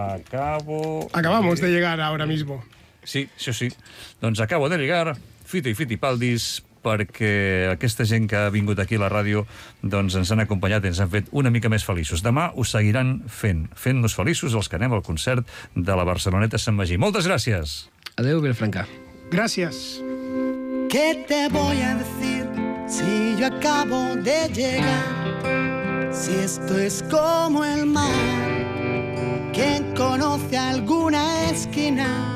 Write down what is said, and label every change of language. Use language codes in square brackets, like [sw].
[es] Acabamos de llegar ahora mismo. [ca] Sí, això sí. Doncs [es] acabo de llegar, [ca] Fito i Fitipaldis, perquè aquesta gent que ha vingut aquí a la ràdio, doncs ens han acompanyat i ens han fet una mica més feliços. Demà us seguiran fent-nos feliços els que anem al concert de la Barceloneta Sant Magí. Moltes gràcies. Adéu, Vilafranca. Gràcies. [es] ¿Qué te voy a decir si yo acabo de llegar? Si esto es como el mar. ¿Quién conoce alguna esquina?